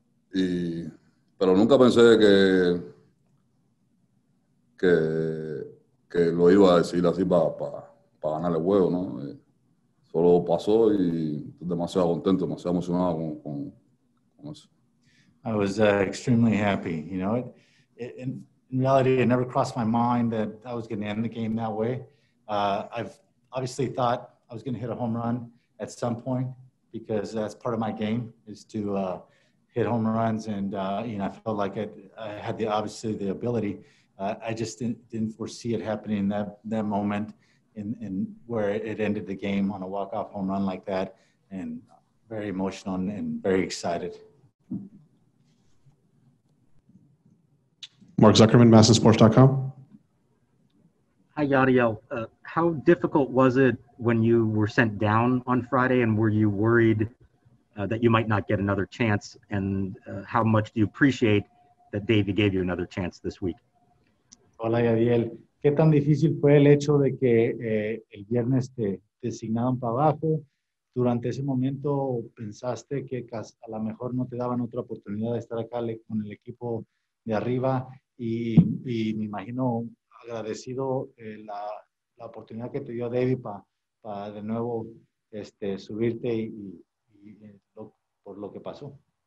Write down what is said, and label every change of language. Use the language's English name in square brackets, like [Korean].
[Spanish] Pero nunca pensé que lo iba a decir así para ganar el juego, ¿no? Solo pasó y estoy demasiado contento, demasiado emocionado con eso. [English] I was extremely happy, you know. In reality, it never crossed my mind that I was going to end the game that way. I've obviously thought I was going to hit a home run at some point because that's part of my game is to hit home runs. And, you know, I felt like I had the ability. I just didn't foresee it happening that moment in where it ended the game on a walk-off home run like that, and very emotional and very excited. Mark Zuckerman, MASNsports.com. Hi, Yadiel. How difficult was it when you were sent down on Friday, and were you worried that you might not get another chance, and how much do you appreciate that Davey gave you another chance this week? [Spanish] Hola, Yadiel. ¿Qué tan difícil fue el hecho de que el viernes te designaron para abajo? ¿Durante ese momento pensaste que a lo mejor no te daban otra oportunidad de estar acá con el equipo de arriba? Y me imagino agradecido la oportunidad que te dio David para de nuevo subirte y por lo que pasó.